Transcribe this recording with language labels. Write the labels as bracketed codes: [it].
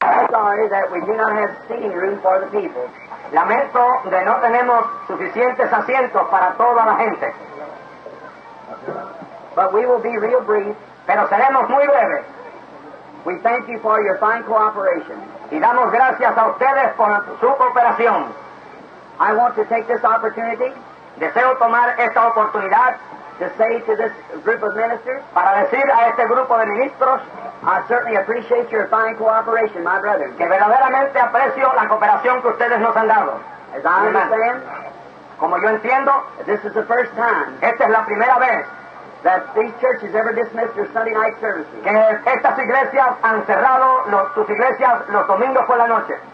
[en] sorry that we do not have seating room for the people. [es] Lamento de no tenemos suficientes asientos para toda la gente. [en] But we will be real brief. [es] Pero seremos muy breves. [en] We thank you for your fine cooperation. [es] Y damos gracias a ustedes por su cooperación. [en] I want to take this opportunity. [es] Deseo tomar esta oportunidad. [en] To say to this group of ministers. [es] Para decir a este grupo de ministros. [en] I certainly appreciate your fine cooperation, my brother. [es] Que verdaderamente aprecio la cooperación que ustedes nos han dado. [en] As I understand. [es] Como yo entiendo. [en] This is the first time. [es] Esta es la primera vez. [en] That these churches ever dismissed their Sunday night services. [es] Que estas iglesias han cerrado sus iglesias los domingos por la noche.